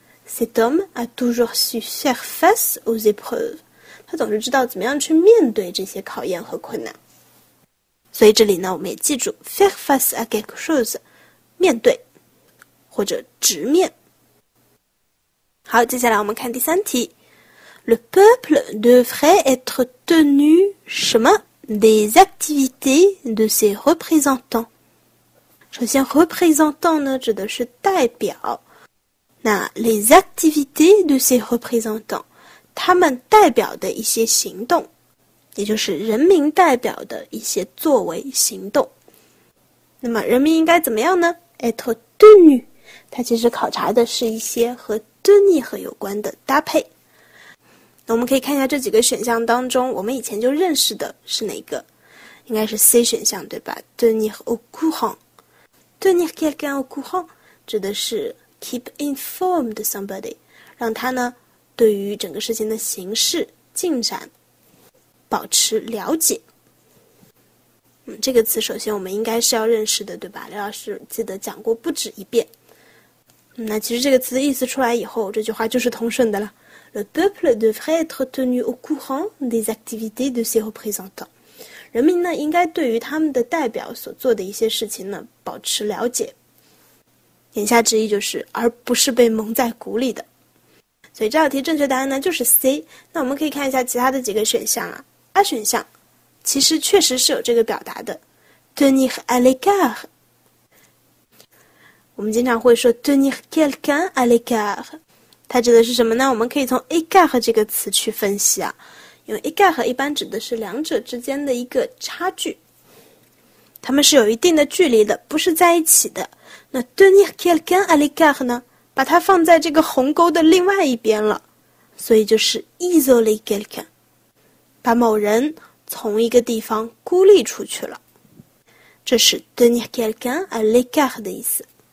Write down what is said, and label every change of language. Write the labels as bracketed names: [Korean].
[French] Cet homme a toujours su faire face aux épreuves， [Chinese] 他总是知道怎么样去面对这些考验和困难。所以这里呢，我们也记住 [French] faire face à quelque chose， [Chinese] 面对或者直面。好，接下来我们看第三题： [French] Le peuple devrait être tenu [Chinese] 什么？ [French] des activités de ses représentants。 [Chinese] 首先，représentant 呢指的是代表。那 [French] les activités de ses représentants， [Chinese] 他们代表的一些行动，也就是人民代表的一些作为行动。那么，人民应该怎么样呢？ [French] être tenu， [Chinese] 它其实考察的是一些和 tenir 有关的搭配。那我们可以看一下这几个选项当中，我们以前就认识的是哪个？应该是 C 选项，对吧？ [French] tenir au courant， tenir quelqu'un au courant [Chinese] 指的是 [English] keep informed somebody，让他呢对于整个事情的形势进展保持了解。 [Chinese] 这个词首先我们应该是要认识的，对吧？刘老师记得讲过不止一遍。那其实这个词的意思出来以后，这句话就是通顺的了。 [French] Le peuple devrait être tenu au courant des activités de ses représentants。 [Chinese] 人民呢，应该对于他们的代表所做的一些事情呢，保持了解。言下之意就是，而不是被蒙在鼓里的。所以这道题正确答案呢，就是 C。那我们可以看一下其他的几个选项啊。A 选项其实确实是有这个表达的， [French] tenir à l'écart。 [Chinese] 我们经常会说 [French] tenir quelqu'un à l'écart。 [Chinese] 它指的是什么呢？我们可以从 écart 这个词去分析啊，因为 écart 一般指的是两者之间的一个差距，他们是有一定的距离的，不是在一起的。那 [French] tenir quelqu'un à l'écart [Chinese] 呢，把它放在这个鸿沟的另外一边了，所以就是 [French] isoler quelqu'un， [Chinese] 把某人从一个地方孤立出去了，这是 tenir quelqu'un à l'écart 的意思。